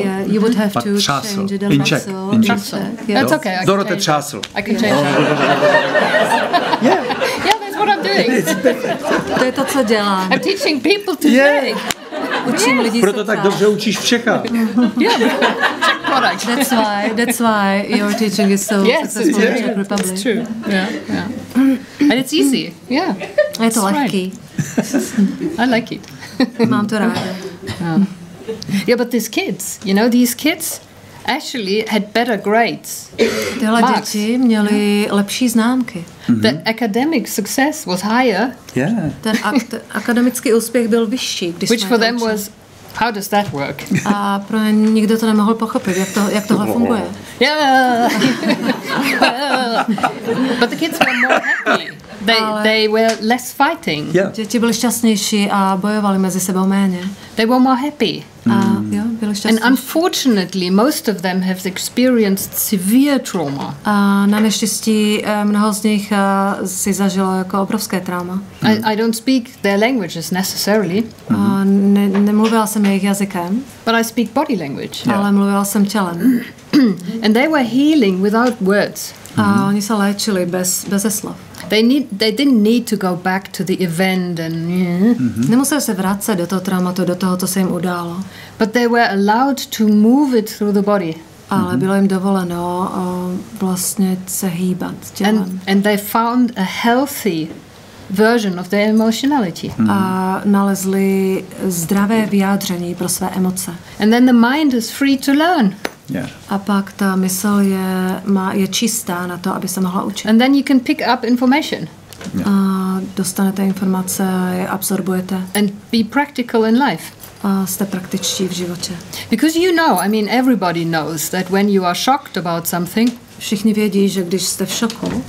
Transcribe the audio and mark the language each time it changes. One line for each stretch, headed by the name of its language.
English: Yeah, you would have to Trassl. Change the muscle. In Czech. Yeah. That's okay. Dorothe Trassl. I can change. Yeah. Yeah. Yeah, that's what I'm doing.
Czech: To je to, co dělám.
English: I'm teaching people to think.
Czech: Učím lidi. Proto tak dobře učíš v Čechách.
English: Yeah. Czech product. That's why your teaching is so successful in Czech Republic. It's true. Yeah. And it's easy. Yeah.
Czech: Je to lehký.
English: I like it.
Czech: Mám to ráda.
English: Yeah, but these kids, you know, these kids, actually had better grades.
Czech: Tyhle děti měly lepší známky.
English: Mm-hmm. The academic success was higher. Yeah.
Czech: Ten akademický úspěch byl vyšší.
English: Which for them was, how does that work?
Czech: A pro ně nikdo to nemohl pochopit, jak tohle funguje.
English: Yeah. But the kids were more happy. They were less fighting. Yeah.
Czech: Děti byly šťastnější a bojovali mezi sebou méně.
English: They were more happy.
Czech: A, jo, byly šťastnější.
English: And unfortunately, most of them have experienced severe trauma.
Czech: A na neštěstí mnoho z nich si zažilo jako obrovské trauma.
English: I don't speak their languages necessarily.
Czech: A nemluvila jsem jejich jazykem.
English: But I speak body language.
Czech: Yeah. Ale mluvila jsem tělem.
English: And they were healing without words.
Czech: A oni se léčili bez slov.
English: They didn't need to go back to the event and
Czech: Nemuseli se vracet do toho traumatu, do toho, co se jim událo.
English: But they were allowed to move it through the body.
Czech: Ale bylo jim dovoleno vlastně se hýbat tělem.
English: And they found a healthy version of their emotionality.
Czech: Mm-hmm. A nalezli zdravé vyjádření pro své emoce.
English: And then the mind is free to learn. Yeah.
Czech: A pak ta mysl je čistá na to, aby se mohla učit.
English: And then you can pick up information.
Czech: Yeah. A dostanete informace, je absorbujete.
English: And be practical in life.
Czech: A jste praktičtí v životě.
English: Because you know, I mean everybody knows that when you are shocked about something,
Czech: všichni vědí, že když jste v šoku,